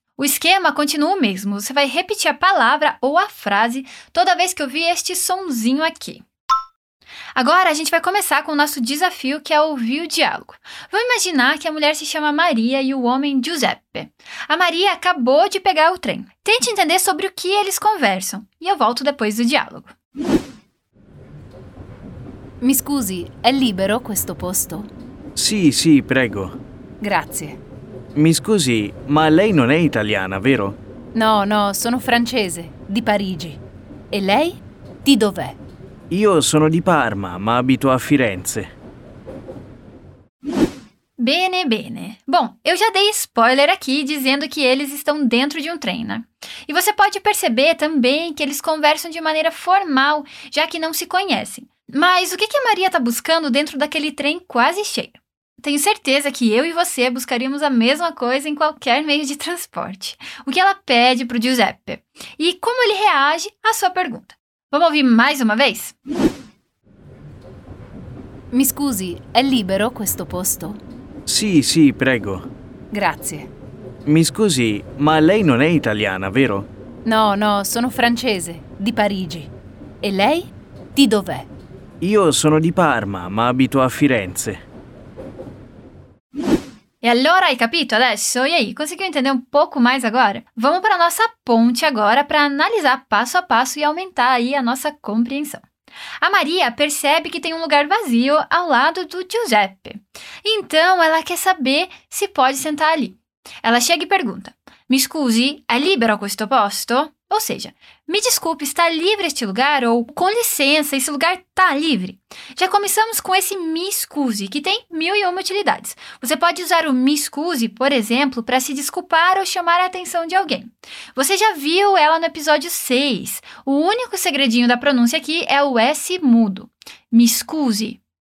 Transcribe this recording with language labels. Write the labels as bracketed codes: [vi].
[pt] O esquema continua o mesmo. Você vai repetir a palavra ou a frase toda vez que ouvir este sonzinho aqui. Agora, a gente vai começar com o nosso desafio, que é ouvir o diálogo. Vamos imaginar que a mulher se chama Maria e o homem Giuseppe. A Maria acabou de pegar o trem. Tente entender sobre o que eles conversam. E eu volto depois do diálogo. [it] Mi scusi, è libero questo posto? Sì, sì, prego. Grazie. Mi scusi, ma lei non è italiana, vero? No, no, sono francese, di Parigi. E lei? Di dov'è? Io sono di Parma, ma abito a Firenze. Bene, bene. [pt] Bom, eu já dei spoiler aqui dizendo que eles estão dentro de um trem, né? E você pode perceber também que eles conversam de maneira formal, já que não se conhecem. Mas o que a Maria está buscando dentro daquele trem quase cheio? Tenho certeza que eu e você buscaríamos a mesma coisa em qualquer meio de transporte. O que ela pede para o Giuseppe? E como ele reage à sua pergunta? Vamos ouvir mais uma vez? [it] Mi scusi, è libero questo posto? Sì, sì, prego. Grazie. Mi scusi, ma lei non è italiana, vero? No, no, sono francese, di Parigi. E lei? Di dov'è? Io sono di Parma, ma abito a Firenze. E allora hai capito adesso? [pt] E aí, conseguiu entender um pouco mais agora? Vamos para a nossa ponte agora para analisar passo a passo e aumentar aí a nossa compreensão. A Maria percebe que tem um lugar vazio ao lado do Giuseppe. Então, ela quer saber se pode sentar ali. Ela chega e pergunta, [it] Mi scusi, è libero questo posto? [pt] Ou seja, me desculpe, está livre este lugar? Ou, com licença, esse lugar está livre? Já começamos com esse mi scusi, que tem mil e uma utilidades. Você pode usar o mi scusi, por exemplo, para se desculpar ou chamar a atenção de alguém. Você já viu ela no episódio 6. O único segredinho da pronúncia aqui é o S mudo. Mi scusi.